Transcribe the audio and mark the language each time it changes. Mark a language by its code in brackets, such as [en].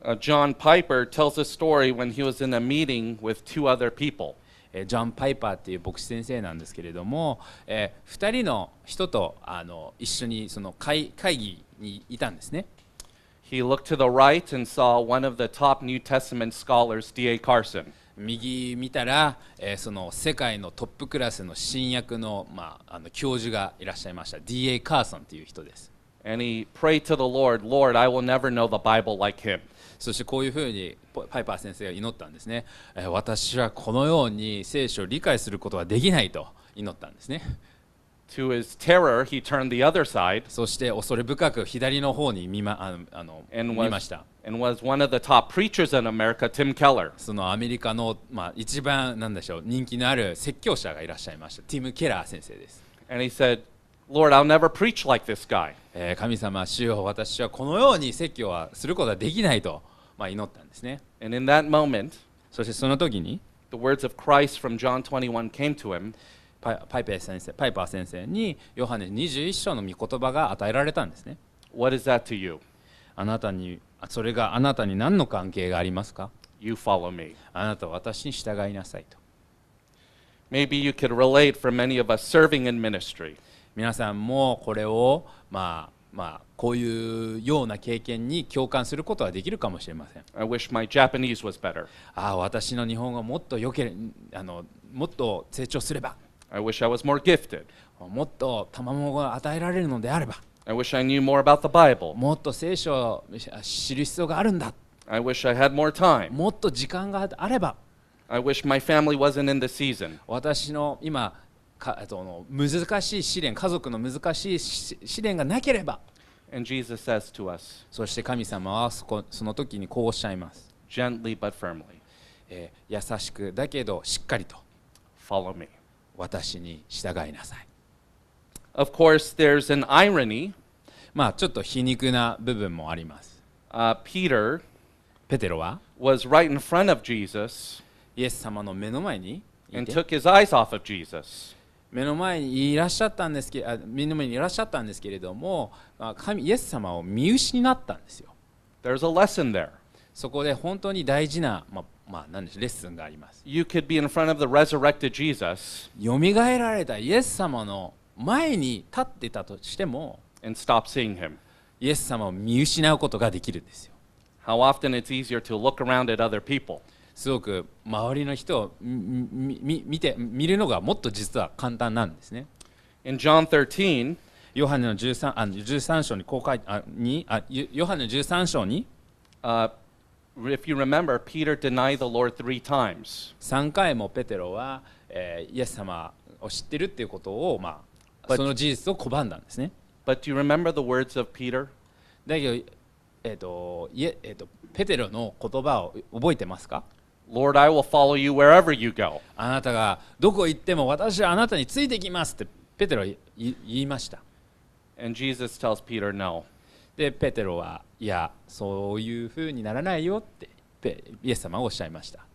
[en] John Piper tells a story when he was in a meeting with two other people. [ja] ジョン・パイパーっていう牧師先生なんですけれども、2人の人と一緒にその会議にいたんですね。 [en] He looked to the right and saw one of the top New Testament scholars, D.A. Carson. [ja] 右見たら、その世界のトップクラスの新約 の、まあ、教授がいらっしゃいました。D.A. Carson という人です。 [en] And he prayed to the Lord, Lord, I will never know the Bible like him. [ja] そしてこういうふうにパイパー先生が祈ったんですね。私はこのように聖書を理解することはできないと祈ったんですね。 [en] To his terror, he turned the other side. [ja] そして恐れ深く左の方に見ました。 [en] And was one of the top preachers in America, Tim Keller. [ja] そのアメリカの、まあ、一番なんでしょう人気のある説教者がいらっしゃいました。ティム・ケラー先生です。 [en] And he said,Lord, I'll never preach like this guy. [ja] 神様、主よ、私はこのように説教はすることはできないと、まあ、祈ったんですね。 [en] And in that moment, [ja] そしてその時に、 [en] the words of Christ from John 21 came to him. [ja] パイパー先生にヨハネ21章の御言葉が与えられたんですね。 [en] What is that to you? [ja] あなたに、それがあなたに何の関係がありますか? [en] You follow me. [ja] あなたは私に従いなさいと。 [en] Maybe you could relate for many of us serving in ministry. [ja] 皆さんもこれを、まあまあ、こういうような経験に共感することはできるかもしれません。 [en] I wish my Japanese was better. [ja] ああ私の日本語もっと良けれ、もっと成長すれば。 [en] I wish I was more gifted. [ja] もっと賜物が与えられるのであれば。 [en] I wish I knew more about the Bible. [ja] もっと聖書を知る必要があるんだ。 [en] I wish I had more time. [ja] もっと時間があれば。 [en] I wish my family wasn't in the season. [ja] 私の今難しい試練、家族の難しい試練がなければ。 [en] And Jesus says to us, [ja] そして神様はその時にこうおっしゃいます。 [en] Gently but firmly. [ja] 優しくだけどしっかりと。 [en] Follow me. [ja] 私に従いなさい。 [en] Of course, there's an irony. [ja] まあちょっと皮肉な部分もあります。 [en] Peter [ja] ペテロは [en] was right in front of Jesus. [ja] イエス様の目の前に。 [en] And took his eyes off of Jesus. [ja] 目の前にいらっしゃったんですけ、目の前にいらっしゃったんですけれども、まあ、神イエス様を見失ったんですよ。 [en] There's a lesson there. [ja] そこで本当に大事な、まあ、何でしょう、レッスンがあります。 [en] You could be in front of the resurrected Jesus. [ja] よみがえられたイエス様の前に立ってたとしても、 [en] And stop seeing him. [ja] イエス様を見失うことができるんですよ。 [en] How often it's easier to look around at other people. [ja] すごく周りの人を 見るのがもっと実は簡単なんですね。 [en] In John 13, [ja] ヨハネの13章に公開にあヨハネの13章に、 [en] if you remember, Peter denied the Lord three times. [ja] 3回もペテロは、イエス様を知ってるっていうことを、まあ、 [en] but, [ja] その事実を拒んだんですね。 [en] But do you remember the words of Peter? [ja] だけど、ペテロの言葉を覚えてますか？ [en] Lord, I will follow you wherever you go. [ja] あなたがどこ行っても私はあなたについてきますってペテロ言いました。 [en] And Jesus tells Peter no. [ja] で、ペテロはいや、そういうふうにならないよってイエス様はおっしゃいました。